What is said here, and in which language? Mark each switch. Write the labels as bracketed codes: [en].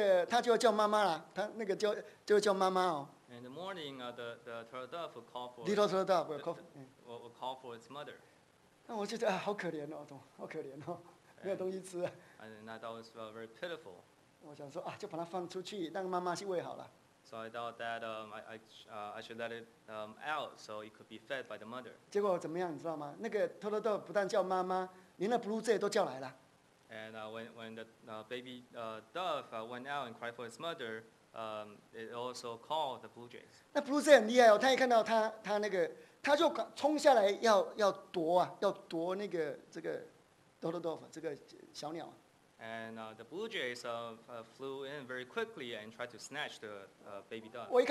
[zh] 那到晚上啊，到早上那个它就会叫妈妈了，它那个就会叫妈妈哦。 [en] In the morning, the turtle dove will call for little turtle dove will call for its mother. [zh] 那我就觉得好可怜哦，好可怜哦，没有东西吃。 [en] And I thought it was very pitiful. [zh] 我想说啊，就把它放出去，让妈妈去喂好了。 [en] So I thought that I should let it out so it could be fed by the mother. [zh] 结果怎么样，你知道吗？那个 turtle dove 不但叫妈妈，连那 blue jay 都叫来了。 [en] And when the baby dove went out and cried for its mother, it also called the blue jays. [zh] 那 blue jay 很厉害哦，他一看到他那个，他就冲下来要夺那个这个 turtle dove 这个小鸟。 [en] And the blue jays flew in very quickly and tried to snatch the baby dove.